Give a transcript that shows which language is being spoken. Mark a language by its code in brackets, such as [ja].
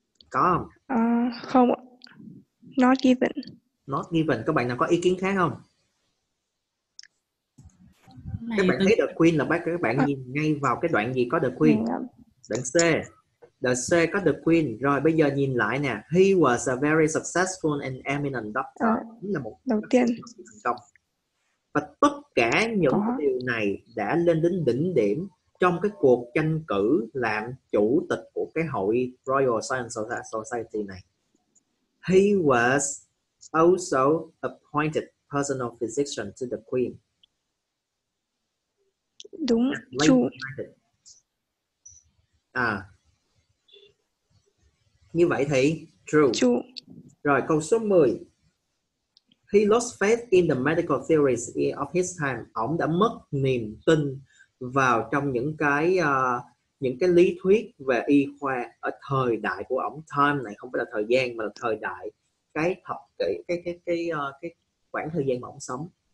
[vi] Có không? Không. [en] Not given. Not given. [vi] Các bạn nào có ý kiến khác không? Các bạn thấy the queen là bác, các bạn nhìn ngay vào cái đoạn gì có the queen. Đoạn C. The C có the queen. Rồi bây giờ nhìn lại nè. [en] He was a very successful and eminent doctor. [vi] Là một đầu tiên. Và tất cả những điều này đã lên đến đỉnh điểm trong cái cuộc tranh cử làm chủ tịch của cái hội Royal Science Society này. [en] He was also appointed personal physician to the queen. [vi] Đúng, [en] true. [vi] Như vậy thì true. [en] True. [vi] Rồi câu số 10. [en] He lost faith in the medical theories of his time. [vi] Ông đã mất niềm tin vào trong những cái lý thuyết về y khoa ở thời đại của ông. Time này không phải là thời gian mà là thời đại, cái thập kỷ, cái khoảng thời gian mà ông sống.